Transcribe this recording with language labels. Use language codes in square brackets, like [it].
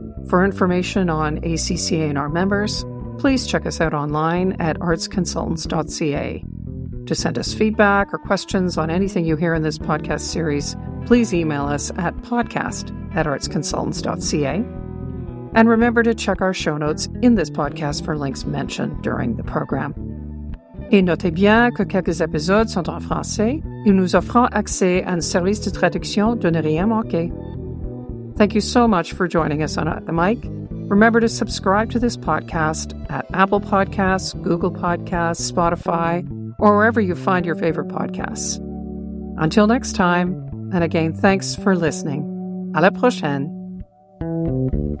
[en] For information on ACCA and our members, please check us out online at artsconsultants.ca. To send us feedback or questions on anything you hear in this podcast series, please email us at podcast@artsconsultants.ca. And remember to check our show notes in this podcast for links mentioned during the program. [fr] Et notez bien que quelques épisodes sont en français. Ils nous offrent accès à un service de traduction de ne rien manquer. [en] Thank you so much for joining us on At the Mic. Remember to subscribe to this podcast at Apple Podcasts, Google Podcasts, Spotify, or wherever you find your favorite podcasts. Until next time, and again, thanks for listening. [fr] À la prochaine.